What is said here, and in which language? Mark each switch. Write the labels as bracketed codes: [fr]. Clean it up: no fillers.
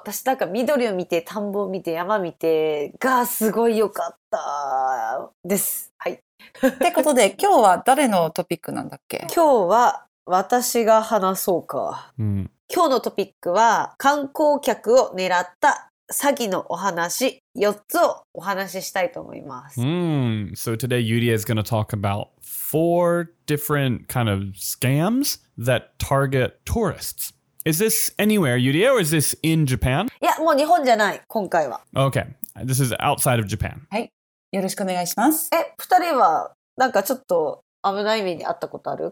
[ja] 私なんか緑を見て、田んぼを見て、山見てがすごい良かったです。はい。ってことで、今日は誰のトピックなんだっけ？今日は私が話そうか。うん。今日のトピックは観光客を狙った詐欺のお話、4つをお話ししたいと思います。 [en] So today Yurie is going to talk about four different kind of scams that target tourists. Is this anywhere, Yurie, or is this in Japan? [ja] いや、もう日本じゃない、今回は。 [en] Okay, this is outside of Japan. [ja] はい、よろしくお願いします。え、2人はなんかちょっと危ない目に遭ったことある？